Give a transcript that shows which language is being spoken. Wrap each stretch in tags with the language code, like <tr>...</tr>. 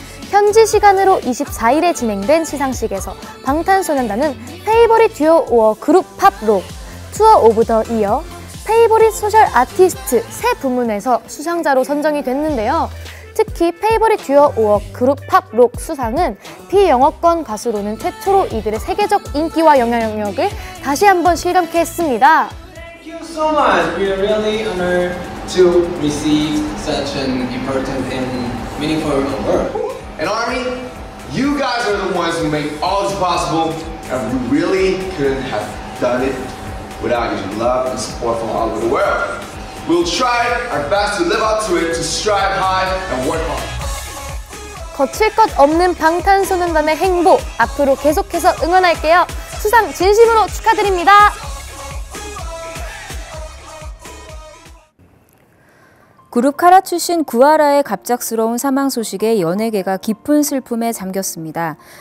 <ko>현지 시간으로 24일에 진행된 시상식에서 방탄소년단은 페이버릿 듀오 오어 그룹 팝 록, 투어 오브 더 이어, 페이버릿 소셜 아티스트 세 부문에서 수상자로 선정이 됐는데요. 특히 페이버릿 듀오 오어 그룹 팝 록 수상은 비영어권 가수로는 최초로 이들의 세계적 인기와 영향력을 다시 한번 실감케 했습니다.</ko> <en>Thank you so much. We are really honored to receive such an important and meaningful award. And ARMY, you guys are the ones who make all this possible, and we really couldn't have done it without your love and support from all over the world. We'll try our best to live up to it, to strive high and work hard.</en> <ko>거칠 것 없는 방탄소년단의 행보, 앞으로 계속해서 응원할게요. 수상 진심으로 축하드립니다. 그룹 카라 출신 구하라의 갑작스러운 사망 소식에 연예계가 깊은 슬픔에 잠겼습니다.</ko>